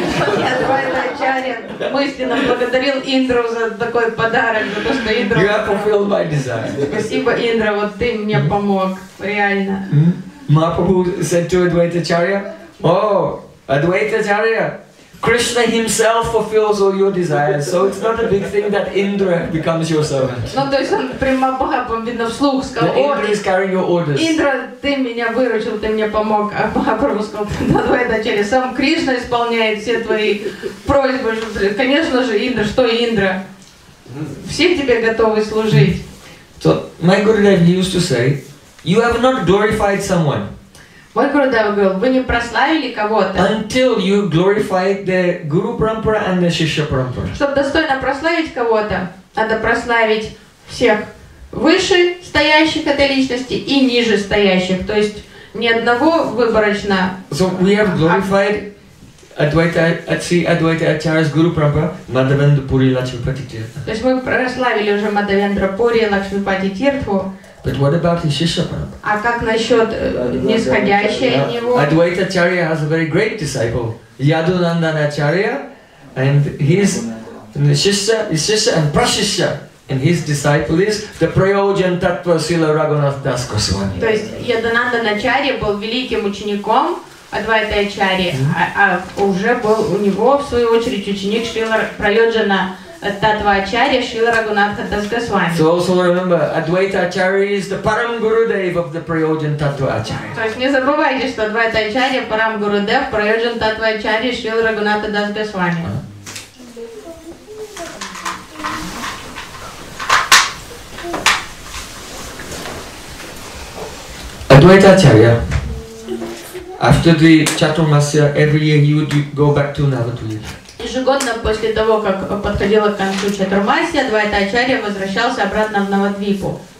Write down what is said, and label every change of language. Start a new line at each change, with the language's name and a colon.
Russian: Адвайта Ачарья мысленно благодарил Индру за такой подарок, за то, что Индра.
English: You have fulfilled my desire.
Russian: Спасибо, Индра, вот ты мне помог, реально.
English: Mahaprabhu said to Advaita Acharya, oh, Advaita Acharya, Krishna Himself fulfills all your desires, so it's not a big thing that Indra becomes your servant.
Russian: Ну то есть он прямо Махапрабху видно вслух сказал.
English: The Indra is carrying your orders.
Russian: Индра, ты меня выручил, ты мне помог. А Махапрабху сказал, давай начали. Сам Кришна исполняет все твои просьбы. Конечно же, Индра, что Индра? Все тебе готовы служить.
English: So my Gurudev, he used to say, you have not glorified someone.
Russian: Мой Гурудева говорил, вы не прославили кого-то.
English: Until you glorify the Guru Parampara and the Shishya Parampara.
Russian: Чтобы достойно прославить кого-то, надо прославить всех выше стоящих этой личности и ниже стоящих, то есть ни одного выборочно.
English: So we have glorified Advaita Acharya's Guru Parampara, Madhavendra Puri Lakshmipati Tirtha.
Russian: То есть мы прославили уже Мадхавендра Пури Лакшмипати Тиртху.
English: But what about his Shishya Parampara?
Russian: А как насчет нисходящего него?
English: Advaita Acharya has a very great disciple, Yadunandana Acharya, and his Shishya and Prashishya. And his disciple is the Prayojan Tattva Srila Raghunath Das Goswami.
Russian: То есть Ядананда Начарья был великим учеником Адвайта Ачарьи, а уже был у него, в свою очередь, ученик Шрила Прайоджана Таттва Ачарьи Шрила Рагунатха Дас Госвами.
English: So also remember, Advaita Acharya is the Param Gurudev of the Prayojan Tattva Acharya.
Russian: То есть не забывайте, что Адвайта Ачарья Param Gurudev, Прайоджан Таттва Ачарьи Шрила Рагунатха Дас Госвами.
English: Advaita Acharya, after the Chaturmasya, every year he would go back to Navadvip.
Russian: Ежегодно после того, как подходила к концу Чатурмасия, Адвайта Ачарья возвращался обратно в Навадвипу.